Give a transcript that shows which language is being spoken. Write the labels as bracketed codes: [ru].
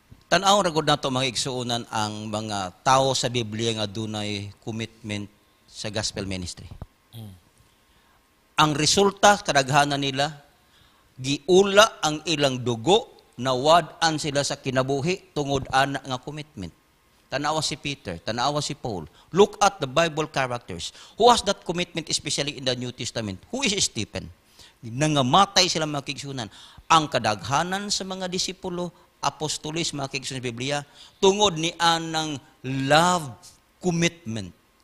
[ceb] Tan-aw ra gud nato mga igsuonan ang mga tao sa Biblia nga dunay commitment sa gospel ministry. Ang resulta kadaghanan nila giula ang ilang dugo na wad-an sila sa kinabuhi tungod ana nga commitment. tanawa si Peter, tanawa si Paul. [en] Look at the Bible characters. Who has that commitment, especially in the New Testament? Who is Stephen? [ceb] Nangamatay sila mga kigsunan. Ang kadaghanan sa mga disipulo, apostolis, mga kigsunan sa Biblia, tungod ni anang love commitment.